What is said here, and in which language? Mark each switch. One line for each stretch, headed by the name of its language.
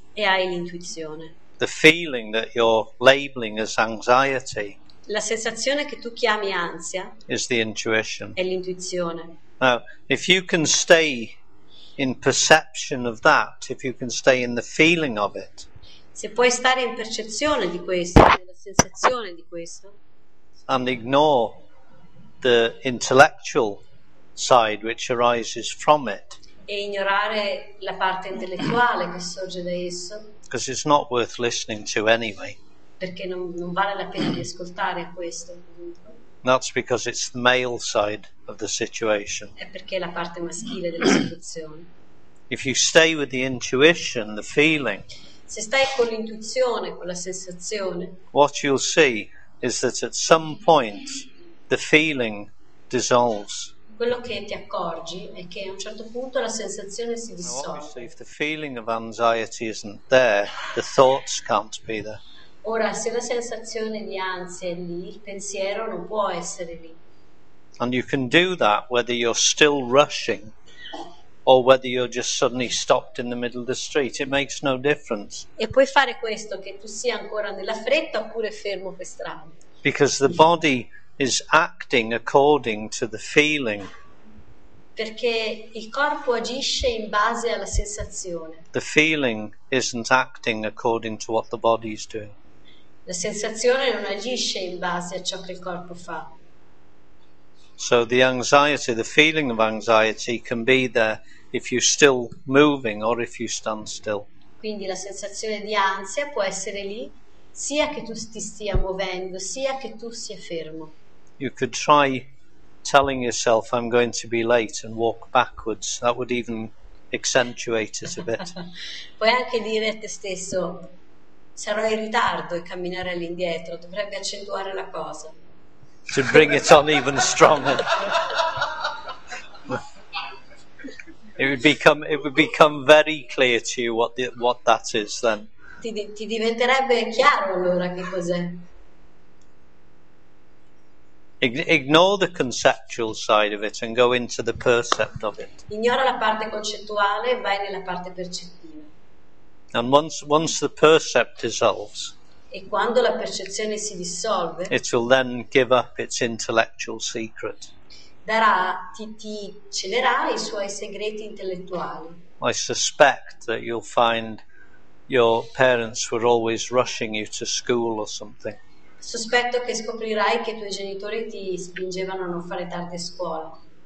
Italian: E hai l'intuizione.
English: The feeling that you're labeling as anxiety.
Italian: La sensazione che tu chiami ansia.
English: Is the intuition.
Italian: È l'intuizione.
English: Now, if you can stay in perception of that, if you can stay in the feeling of it.
Italian: Se puoi stare in percezione di questo, nella sensazione di questo.
English: And ignore the intellectual side which arises from it.
Italian: E ignorare la parte intellettuale che sorge da esso.
English: Because it's not worth listening to anyway.
Italian: Perché non vale la pena di ascoltare questo.
English: That's because it's the male side of the situation.
Italian: È perché è la parte maschile della situazione.
English: If you stay with the intuition, the feeling.
Italian: Se stai con l'intuizione, con la sensazione.
English: What you'll see is that at some point the feeling dissolves.
Italian: Quello che ti accorgi è che a un certo punto la sensazione si dissolve.
English: Obviously, if the feeling of anxiety isn't there, the thoughts can't be there.
Italian: Ora, se la sensazione di ansia è lì, il pensiero non può essere lì.
English: And you can do that whether you're still rushing or whether you're just suddenly stopped in the middle of the street. It makes no difference.
Italian: E puoi fare questo, che tu sia ancora nella fretta oppure fermo per strada.
English: Because the body is acting according to the feeling.
Italian: Perché il corpo agisce in base alla sensazione.
English: The feeling isn't acting according to what the body is doing.
Italian: La sensazione non agisce in base a ciò che il corpo fa.
English: So the anxiety, the feeling of anxiety can be there if you're still moving or if you stand still.
Italian: Quindi la sensazione di ansia può essere lì sia che tu ti stia muovendo, sia che tu sia fermo.
English: You could try telling yourself I'm going to be late and walk backwards. That would even accentuate it a bit.
Italian: Puoi anche dire a te stesso sarò in ritardo e camminare all'indietro dovrebbe accentuare la cosa.
English: To bring it on even stronger. It would become very clear to you what that is then.
Italian: Ti diventerebbe chiaro allora che cos'è.
English: Ignore the conceptual side of it and go into the percept of it.
Italian: Ignora la parte concettuale e vai nella parte percettiva.
English: And once the percept dissolves.
Italian: E quando la percezione si dissolve.
English: It will then give up its intellectual secret.
Italian: Darà ti celerà i suoi segreti intellettuali.
English: I suspect that you'll find your parents were always rushing you to school or something.
Italian: Sospetto che scoprirai che i tuoi genitori ti spingevano a non fare tardi a scuola.